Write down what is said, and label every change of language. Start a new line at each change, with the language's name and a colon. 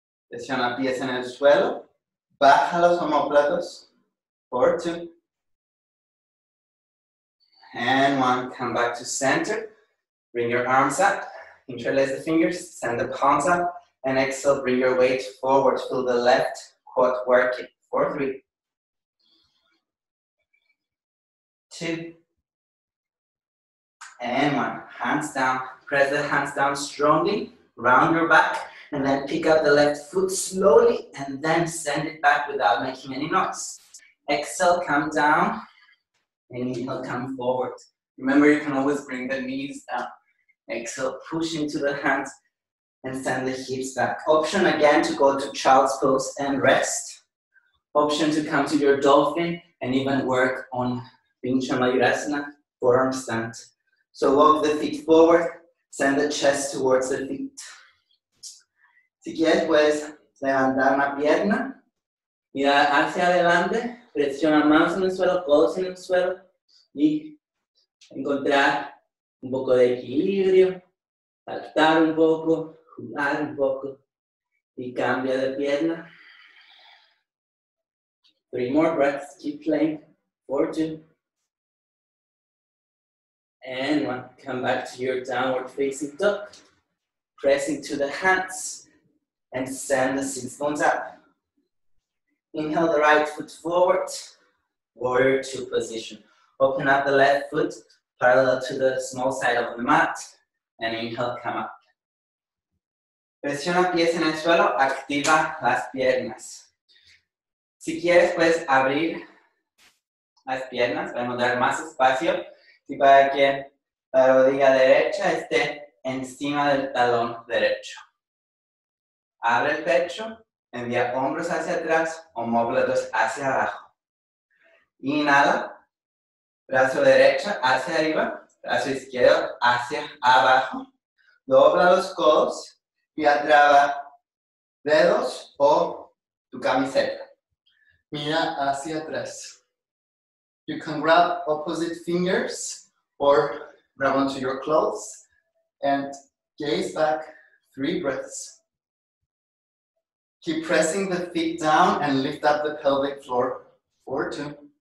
Spanish: Presiona pies en el suelo, baja los omóplatos. 4, 2.
English: And 1, come back to center, bring your arms up, interlace the fingers, send the palms up, and exhale, bring your weight forward, feel the left quad working. 4, 3. 2. And 1, hands down, press the hands down strongly, round your back, and then pick up the left foot slowly, and then send it back without making any noise. Exhale, come down, and inhale, come forward. Remember, you can always bring the knees down. Exhale, push into the hands, and send the hips back. Option again to go to child's pose and rest. Option to come to your dolphin, and even work on Vinyasa, forearm stand. So walk the feet forward, send the chest towards the feet.
Spanish: Si quieres, puedes levantar una pierna. Mira hacia adelante, presiona manos en el suelo, codos en el suelo. Y encontrar un poco de equilibrio. Saltar un poco, jugar un poco. Y cambia de pierna.
English: 3 more breaths, keep playing. 4, 2. And come back to your downward facing dog. Press into the hands and send the sit bones up. Inhale the right foot forward, warrior two position. Open up the left foot parallel to the small side of the mat and inhale, come up.
Spanish: Presiona pies en el suelo, activa las piernas. Si quieres, puedes abrir las piernas para dar más espacio y para que la rodilla derecha esté encima del talón derecho. Abre el pecho, envía hombros hacia atrás o móvilos hacia abajo. Inhala, brazo derecho hacia arriba, brazo izquierdo hacia abajo. Dobla los codos y atraba dedos o tu camiseta. Mira hacia atrás.
English: You can grab opposite fingers or grab onto your clothes and gaze back three breaths. Keep pressing the feet down and lift up the pelvic floor for two.